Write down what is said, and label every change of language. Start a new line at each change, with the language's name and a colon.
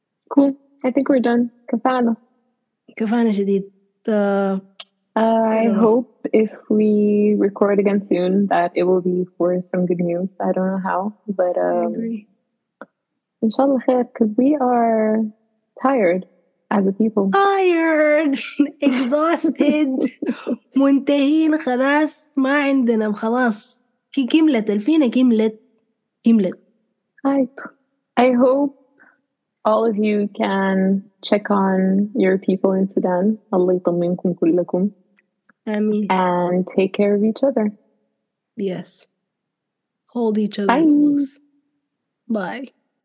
English: Cool. I think we're done. Kafana.
Arabic: Kafana shadid.
English: I hope if we record again soon that it will be for some good news. I don't know how, but I agree. Inshallah khair, because we are tired as a people. Tired, exhausted,
Arabic: منتهين خلاص ما عندنا خلاص كملت الفينا كملت.
English: I hope all of you can check on your people in Sudan.
Arabic: الله يطمنكم كلكم.
English: Amen. And take care of each other. Yes. Hold each other close. Bye.